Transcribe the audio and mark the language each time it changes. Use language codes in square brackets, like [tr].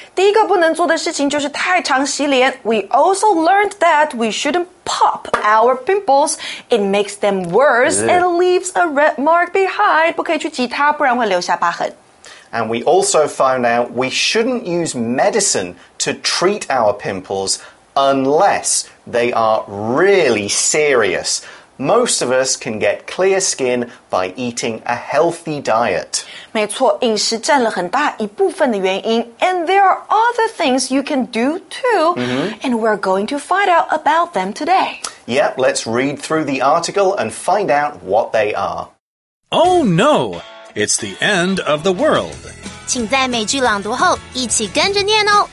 [zh] 第一个不能做的事情就是太常洗脸。 [en] We also learned that we shouldn't pop our pimples. It makes them worse and leaves a red mark behind. [zh] 不可以去挤它，不然会留下疤痕。 [en] And we also found out we shouldn't use medicine to treat our pimples unless they are really serious. Most of us can get clear skin by eating a healthy diet. [zh] 没错，饮食占了很大一部分的原因。 [en] And there are other things you can do too,、mm-hmm. and we're going to find out about them today. Yep, let's read through the article and find out what they are. Oh no, it's the end of the world. [zh] 请在每句朗读后一起跟着念哦。